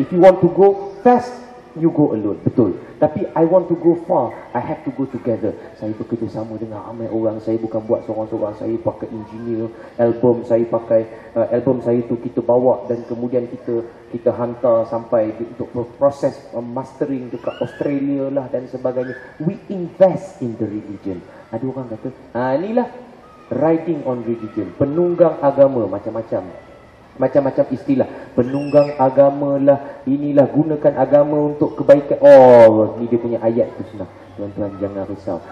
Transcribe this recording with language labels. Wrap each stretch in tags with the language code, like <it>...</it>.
<en>If you want to go fast, you go alone, betul. Tapi I want to go far, I have to go together.</en> <ms>Saya bekerjasama dengan ramai orang. Saya bukan buat seorang-seorang. Saya pakai engineer. Album saya pakai album saya tu kita bawa dan kemudian kita hantar sampai untuk proses mastering dekat Australia lah dan sebagainya.</ms> <en>We invest in the religion.</en> <ms>Ada orang kata, inilah riding on religion, penunggang agama, macam-macam. Macam-macam istilah, penunggang agama lah, inilah, gunakan agama untuk kebaikan. Oh, ni dia punya ayat tu senang. Tuan-tuan jangan risau.</ms>